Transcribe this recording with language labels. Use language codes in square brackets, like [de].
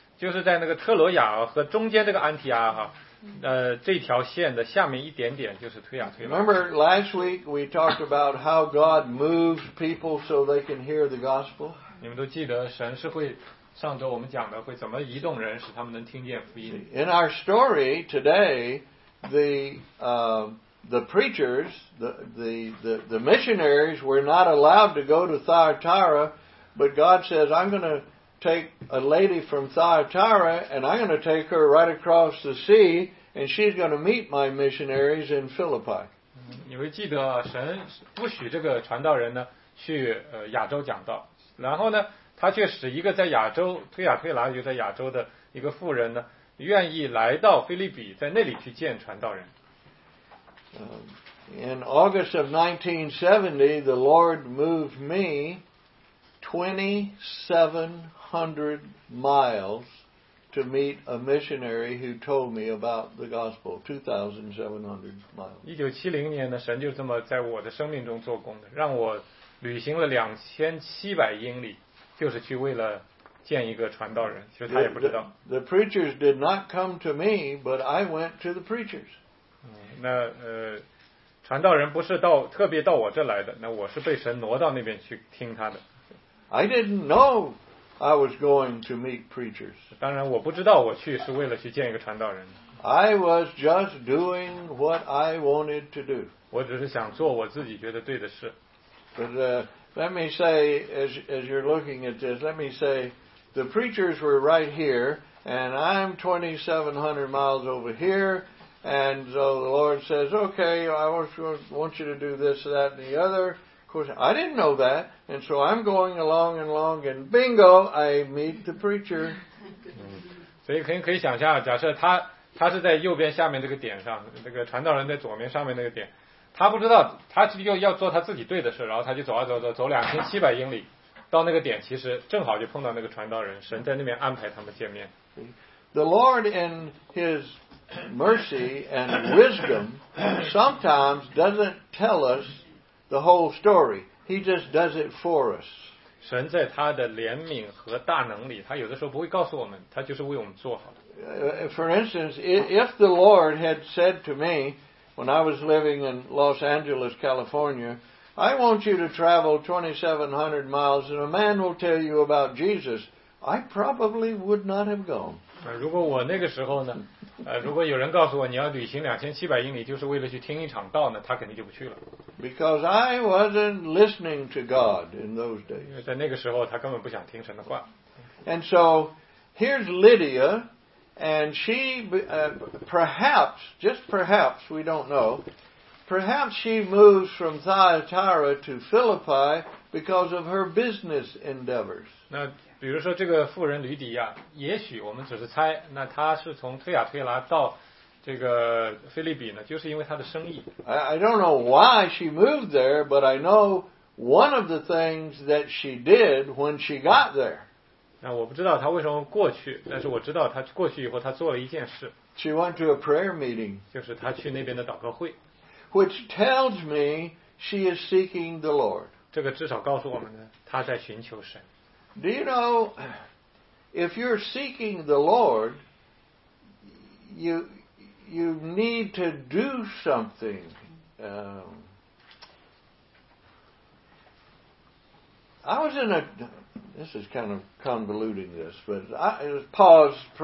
[zh] 就是在那个特罗亚和中间这个安提阿哈。这条线的下面一点点就是推雅推拉。 [en] Remember last week we talked about how God moves people so they can hear the gospel? [zh] 你们都记得神是会上周我们讲的会怎么移动人使他们能听见福音。 [en] In our story today, the preachers, the missionaries were not allowed to go to Thyatira, but God says, I'm going to take a lady from Thyatira and I'm going to take her right across the sea and she's going to meet my missionaries in Philippi. [zh] 你会记得神不许这个传道人呢去亚洲讲道，然后呢他却使一个在亚洲推雅推拉就在亚洲的一个妇人呢愿意来到菲利比在那里去见传道人。 [en] In August of 1970, the Lord moved me 2700 miles to meet a missionary who told me about the gospel. 2,700 miles. [zh] 1970年呢，神就这么在我的生命中做工的，让我旅行了2700英里，就是去为了见一个传道人。其实他也不知道。 [en] The preachers did not come to me, but I went to the preachers. [zh] 那传道人不是到特别到我这来的，那我是被神挪到那边去听他的。 [en] I didn't know I was going to meet preachers. [zh] 当然我不知道我去是为了去见一个传道人。 [en] I was just doing what I wanted to do. [zh] 我只是想做我自己觉得对的事。 [en] But let me say, as you're looking at this, let me say, the preachers were right here, and I'm 2,700 miles over here, and so the Lord says, okay, I want you to do this, that, and the other. Of course, I didn't know that, and so I'm going along and along, and bingo, I meet the preacher. [zh] 所以可以想象，假设他是在右边下面这个点上，这个传道人在左面上面那个点，他不知道，他就要做他自己对的事，然后他就走啊走走，走2700英里，到那个点，其实正好就碰到那个传道人，神在那边安排他们见面。 [en] The Lord in His mercy and wisdom sometimes doesn't tell us. The whole story. He just does it for us. [zh] 神在他的怜悯和大能里，他有的时候不会告诉我们，他就是为我们做好的。 [en] For instance, if the Lord had said to me when I was living in Los Angeles, California, I want you to travel 2,700 miles and a man will tell you about Jesus, I probably would not have gone. [zh] 如果我那个时候呢，如果有人告诉我你要旅行2700英里就是为了去听一场道呢，他肯定就不去了。 [en] Because I wasn't listening to God in those days. [zh] 因为在那个时候他根本不想听神的话。 [en] And so here's Lydia, and she perhaps, just perhaps, we don't know, perhaps she moves from Thyatira to Philippi because of her business endeavors. [zh] 那比如说这个妇人吕底亚，也许我们只是猜，那她是从推雅推拉到这个菲利比呢，就是因为她的生意。 [en] I don't know why she moved there, but I know one of the things that she did when she got there. [zh] 那我不知道她为什么过去，但是我知道她过去以后她做了一件事。 [en] She went to a prayer meeting. [zh] 就是她去那边的祷告会。 [en] Which tells me she is seeking the Lord. [zh] 这个至少告诉我们呢，她在寻求神。 [en] Do you know, if you're seeking the Lord, you need to do something. This is kind of convoluting this, but pause.